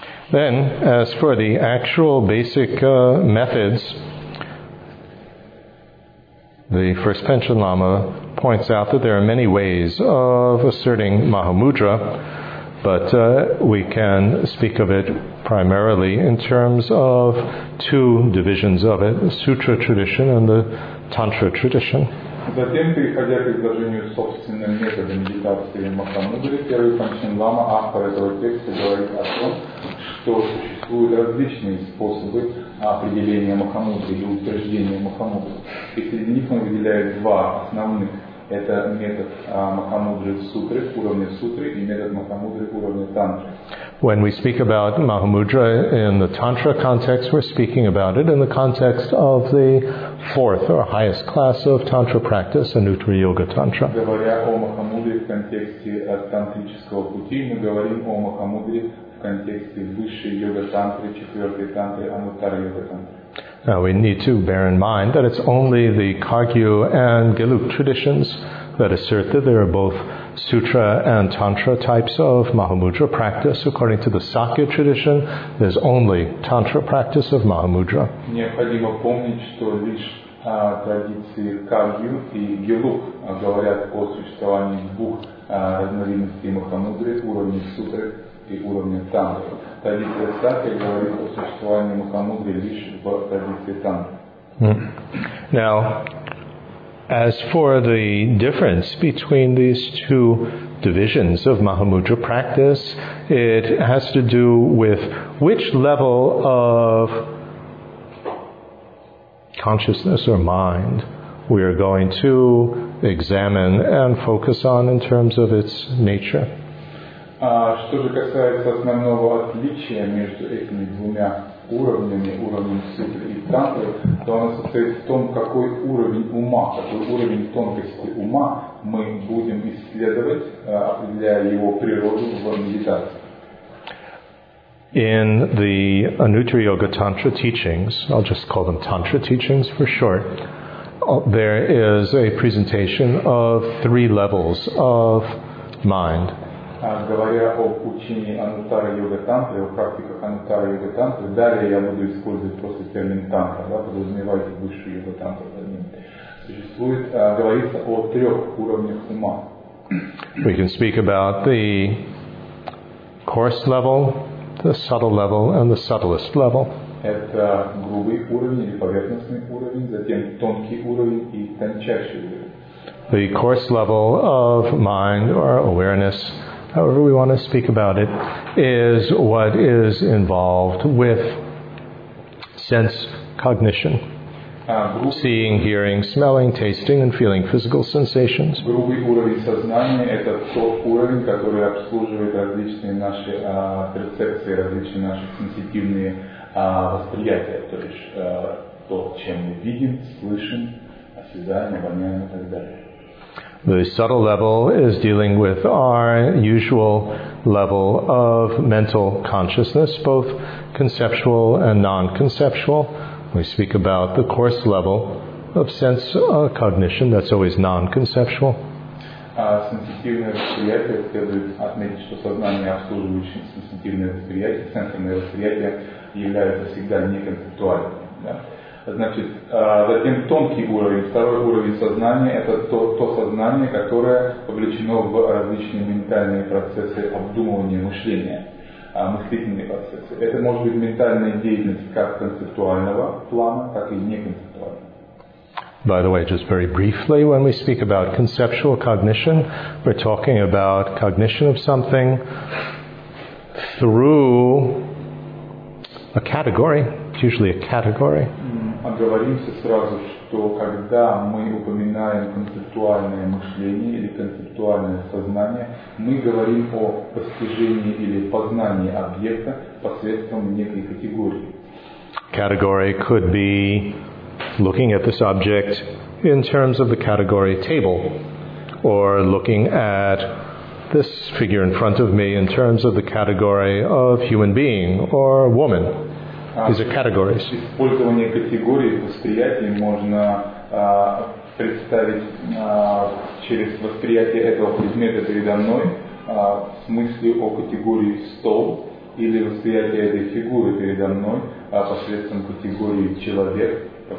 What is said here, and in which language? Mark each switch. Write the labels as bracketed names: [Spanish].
[English] Then, as for the actual basic methods, the first Panchen Lama points out that there are many ways of asserting Mahamudra, but we can speak of it primarily in terms of two divisions of it, the Sutra tradition and the Tantra tradition. [Russian] Затем, переходя к изложению собственного метода медитации Махамудры, первый Панчен Лама, автор этого текста, говорит о том, что существуют различные способы определения Махамудры или утверждения Махамудры. И среди них он выделяет два основных. Это метод Махамудры Сутры, уровня Сутры, и метод Махамудры уровня Тантры. [English] When we speak about Mahamudra in the Tantra context, we're speaking about it in the context of the fourth or highest class of Tantra practice, Anuttara Yoga Tantra. [Russian] Говоря о Махамудре в контексте тантрического пути, мы говорим о Махамудре в контексте высшей йога тантры, четвертой тантры, Анутара Йога Тантры. [English] Now we need to bear in mind that it's only the Kagyu and Gelug traditions that assert that there are both Sutra and Tantra types of Mahamudra practice. According to the Sakya tradition, there's only Tantra practice of Mahamudra. [Russian] Необходимо помнить, что лишь традиции Кагью и Гелуг говорят о существовании двух разновидностей Махамудры, уровня Сутры и уровня Тантры. Традиция Сакья говорит о существовании Махамудры лишь в традиции Тантры. [English] Now, as for the difference between these two divisions of Mahamudra practice, it has to do with which level of consciousness or mind we are going to examine and focus on in terms of its nature. [Russian] Что же касается основного отличия между этими двумя уровнями, уровнем сутры и тантры, то оно состоит в том, какой уровень ума, какой уровень тонкости ума мы будем исследовать, определяя его природу в медитации. [English] In the Anuttara Yoga Tantra teachings, I'll just call them Tantra teachings for short, there is a presentation of three levels of mind. [Russian] Говоря об учении Анутара Йога Тантры, о практиках Анутара Йога Тантры, далее я буду использовать просто термин тантра, да, подразумевая высшую йога тантру за ним. Существует, говорится о трех уровнях ума. [English] We can speak about the coarse level, the subtle level, and the subtlest level. [Russian] Это грубый уровень или поверхностный уровень, затем тонкий уровень и тончайший уровень. [English] The coarse level of mind or awareness, however we want to speak about it, is what is involved with sense cognition. Seeing, hearing, smelling, tasting, and feeling physical sensations. [Russian] Грубый уровень сознания – это тот уровень, который обслуживает различные наши перцепции, различные наши сенситивные восприятия, то есть то, чем мы видим, слышим, осязаем, обоняем и так далее. [English] The subtle level is dealing with our usual level of mental consciousness, both conceptual and non-conceptual. We speak about the coarse level of sense cognition, that's always non-conceptual. [Russian] сенситивное восприятие, следует отметить, что сознание, обслуживающее сенситивное восприятие, центральное восприятие, является всегда неконцептуальным. Да? Значит, затем тонкий уровень, второй уровень сознания – это то сознание, которое вовлечено в различные ментальные процессы обдумывания мышления, мыслительные процессы. Это может быть ментальная деятельность как концептуального плана, так и неконцептуального. [English] By the way, just very briefly, when we speak about conceptual cognition, we're talking about cognition of something through a category. It's usually a category. [Russian] Оговоримся сразу, что когда мы упоминаем концептуальное мышление или концептуальное сознание, мы говорим о постижении или познании объекта посредством некой категории. [English] Category could be looking at this object in terms of the category table, or looking at this figure in front of me in terms of the category of human being or woman. These are categories. [Russian] Использование категории восприятия можно представить через восприятие этого предмета передо мной в смысле о категории стол или восприятие этой фигуры передо мной посредством категории человек.